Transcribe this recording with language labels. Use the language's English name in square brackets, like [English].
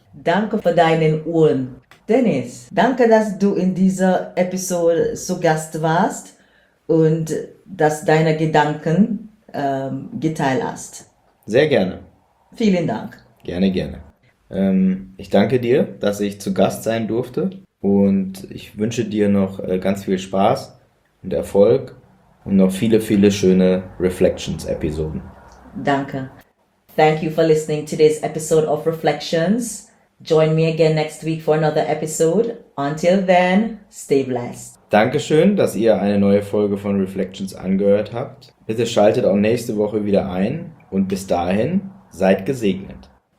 [German] Danke für deinen Ohren. Dennis, danke, dass du in dieser Episode zu Gast warst und dass deine Gedanken geteilt hast. Sehr gerne. Vielen Dank. Gerne, gerne. Ich danke dir, dass ich zu Gast sein durfte und ich wünsche dir noch ganz viel Spaß und Erfolg und noch viele, viele schöne Reflections-Episoden. Danke. [English] Thank you for listening to this episode of Reflections. Join me again next week for another episode. Until then, stay blessed. [German] Dankeschön, dass ihr eine neue Folge von Reflections angehört habt. Bitte schaltet auch nächste Woche wieder ein und bis dahin, seid gesegnet.